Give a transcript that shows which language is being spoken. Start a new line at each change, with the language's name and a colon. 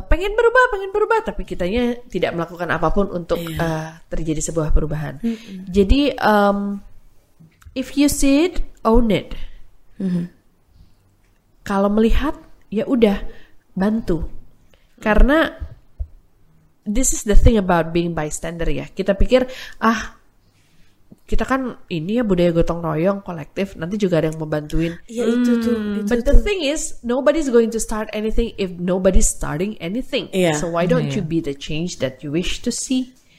Indonesian: Pengen berubah, tapi kitanya tidak melakukan apapun untuk terjadi sebuah perubahan. Jadi,
English: if you see it, own it.
Indonesian: Kalau melihat, ya udah, bantu. Karena
English: this is the thing about being bystander
Indonesian: ya. Kita pikir, kita kan ini ya budaya gotong royong, kolektif, nanti juga ada yang membantuin. Itu tuh.
English: But the thing is, nobody's going to start anything if nobody's starting anything. So why don't you be the change that you wish to see?